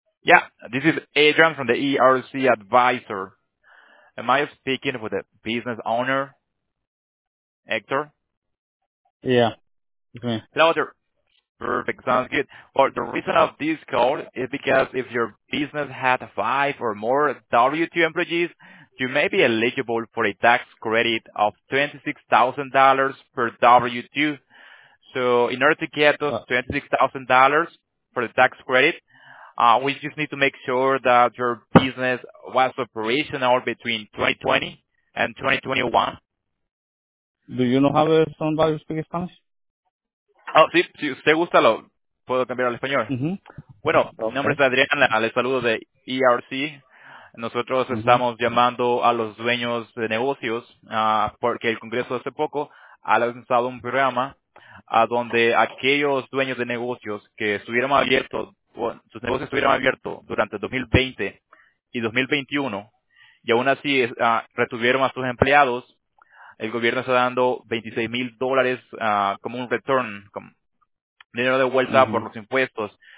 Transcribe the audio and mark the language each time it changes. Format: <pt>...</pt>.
<en>Yeah, this is Adrian from the ERC advisor. Am I speaking with the business owner Hector? Yeah. Hello there. Perfect, sounds good. Well, the reason of this call is because if your business had 5 or more W-2 employees, you may be eligible for a tax credit of $26,000 per W-2. So in order to get those $26,000 for the tax credit, we just need to make sure that your business was operational between 2020 and 2021. Do you know how somebody speaks Spanish?</en> <es>Oh, sí, si usted gusta, lo puedo cambiar al español. Uh-huh. Bueno, okay. Mi nombre es Adrián, les saludo de ERC. Nosotros uh-huh. estamos llamando a los dueños de negocios porque el Congreso hace poco ha lanzado un programa donde aquellos dueños de negocios que estuvieron abiertos, bueno, sus negocios estuvieron abiertos durante 2020 y 2021 y aún así retuvieron a sus empleados, el gobierno está dando $26,000 como un return, como dinero de vuelta uh-huh. por los impuestos.</es>